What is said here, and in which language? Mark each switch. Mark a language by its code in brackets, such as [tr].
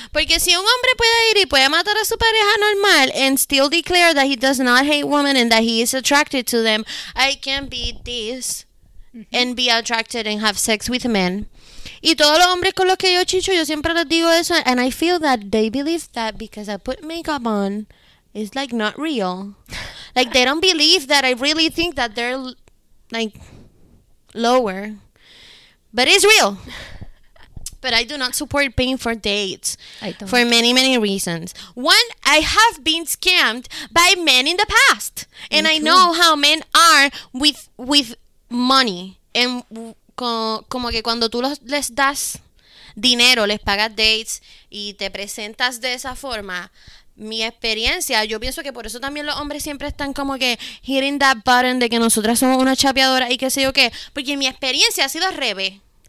[es] Porque si un hombre puede ir y puede matar a su pareja normal [en] and still declare that he does not hate women and that he is attracted to them, I can be this and be attracted and have sex with men. [es] Y todos los hombres con los que yo chicho, yo siempre les digo eso. [en] And I feel that they believe that because I put makeup on, it's like not real. Like they don't believe that I really think that they're like lower. But it's real. But I do not support paying for dates. I don't. For many, many reasons. One, I have been scammed by men in the past. And I know how men are with money. And... [es] como que cuando tú les das dinero, les pagas dates y te presentas de esa forma, mi experiencia, yo pienso que por eso también los hombres siempre están como que [en] hitting that button [es] de que nosotras somos una chapeadora y qué sé yo qué, porque mi experiencia ha sido al revés.